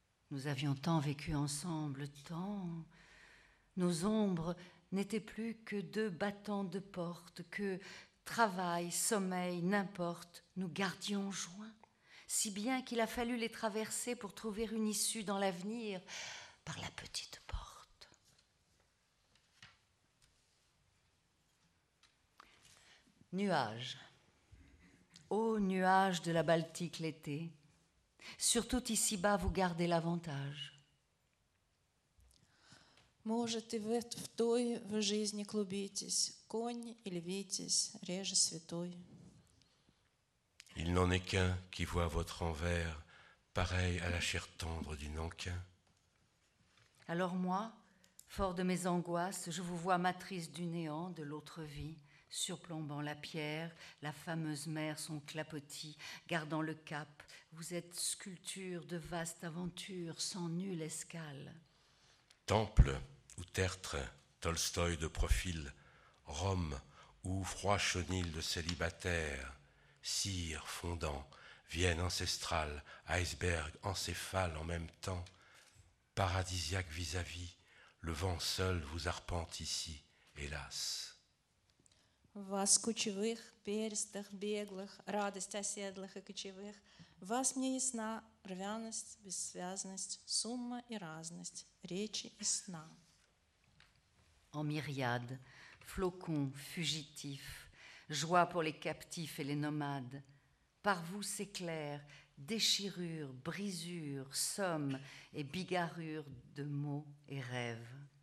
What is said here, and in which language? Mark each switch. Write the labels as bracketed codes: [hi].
[fr] Nous avions tant vécu ensemble, tant. Nos ombres n'étaient plus que 2 battants de porte que, travail, sommeil, n'importe, nous gardions joints, si bien qu'il a fallu les traverser pour trouver une issue dans l'avenir par la petite porte. Nuages. Ô nuages de la Baltique l'été, surtout ici-bas, vous gardez l'avantage. [ru] Может, и в той в жизни клубитесь, конь или витязь, реже святой. [fr] Il n'en est qu'un qui voit votre envers pareil à la chair tendre du nankin. Alors moi, fort de mes angoisses, je vous vois matrice du néant de l'autre vie. Surplombant la pierre, la fameuse mer, son clapotis, gardant le cap, vous êtes sculpture de vaste aventure sans nulle escale. Temple ou tertre, Tolstoï de profil, Rome ou froid chenil de célibataire, cire fondant, Vienne ancestrale, iceberg encéphale en même temps, paradisiaque vis-à-vis, le vent seul vous arpente ici, hélas. [ru] Вас кучевых, перстых, беглых, радость оседлых и кочевых, вас мне ясна рвяность, бессвязность, сумма и разность, речи и сна. [fr] En myriade, flocons, fugitifs, joie pour les captifs et les nomades, par vous s'éclaire, déchirure, brisure, somme et bigarrure de mots et rêves.